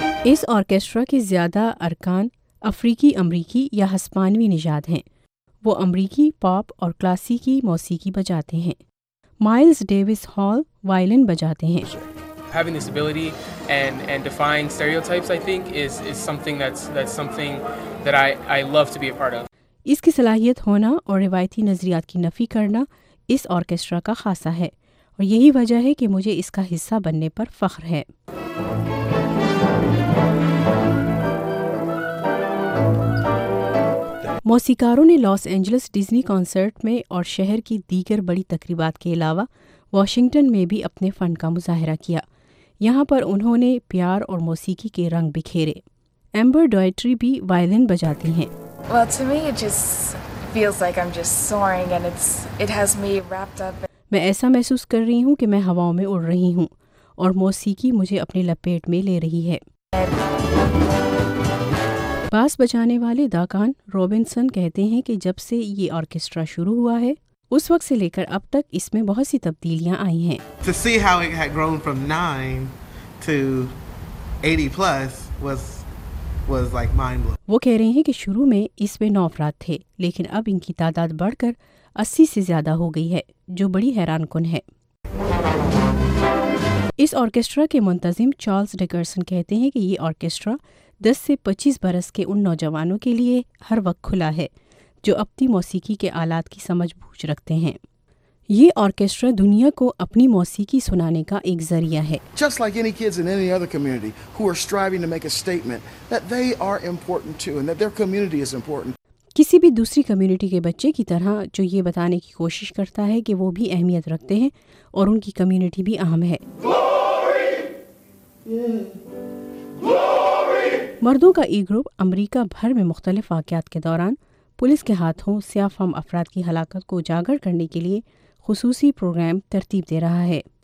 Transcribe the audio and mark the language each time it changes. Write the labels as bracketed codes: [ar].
[ur] اس orchestra کے زیادہ ارکان افریقی امریکی یا ہسپانوی نژاد ہیں۔ وہ امریکی پاپ اور کلاسیکی موسیقی بجاتے ہیں۔ مائلز ڈیوس ہال وائلن بجاتے ہیں۔ [en] Having this ability and defying stereotypes, I think, is something that's something that I love to be a part of. [ur] اس کی صلاحیت ہونا اور روایتی نظریات کی نفی کرنا اس آرکیسٹرا کا خاصہ ہے، اور یہی وجہ ہے کہ مجھے اس کا حصہ بننے پر فخر ہے۔ موسیقاروں نے لاس اینجلس ڈزنی کانسرٹ میں اور شہر کی دیگر بڑی تقریبات کے علاوہ واشنگٹن میں بھی اپنے فن کا مظاہرہ کیا۔ یہاں پر انہوں نے پیار اور موسیقی کے رنگ بکھیرے۔ ایمبر ڈوئٹری بھی وائلن بجاتی ہیں۔ [en] Well, to me, it just feels like I'm just soaring and it has me wrapped up. [ur] میں ایسا محسوس کر رہی ہوں کہ میں ہواؤں میں اڑ رہی ہوں اور موسیقی مجھے اپنی لپیٹ میں لے رہی ہے. باس بجانے والے داکان روبنسن کہتے ہیں کہ جب سے یہ آرکیسٹرا شروع ہوا ہے اس وقت سے لے کر اب تک اس میں بہت سی تبدیلیاں آئی ہیں. [en] To see how it had grown from 9 to 80 plus was like mind blowing. [ur] وہ کہہ رہے ہیں کہ شروع میں اس میں 9 افراد تھے لیکن اب ان کی تعداد بڑھ کر 80 سے زیادہ ہو گئی ہے جو بڑی حیران کن ہے. اس آرکیسٹرا کے منتظم چارلز ڈیکرسن کہتے ہیں کہ یہ آرکیسٹرا 10 سے 25 برس کے ان نوجوانوں کے لیے ہر وقت کھلا ہے جو اپنی موسیقی کے آلات کی سمجھ بوجھ رکھتے ہیں. یہ آرکیسٹرا دنیا کو اپنی موسیقی سنانے کا ایک ذریعہ ہے. [en] Just like any kids in any other community who are striving to make a statement that they are important too and that their community is important. [ur] کسی بھی دوسری کمیونٹی کے بچے کی طرح جو یہ بتانے کی کوشش کرتا ہے کہ وہ بھی اہمیت رکھتے ہیں اور ان کی کمیونٹی بھی اہم ہے. مردوں کا ای گروپ امریکہ بھر میں مختلف واقعات کے دوران پولیس کے ہاتھوں سیاہ فام افراد کی ہلاکت کو اجاگر کرنے کے لیے خصوصی پروگرام ترتیب دے رہا ہے.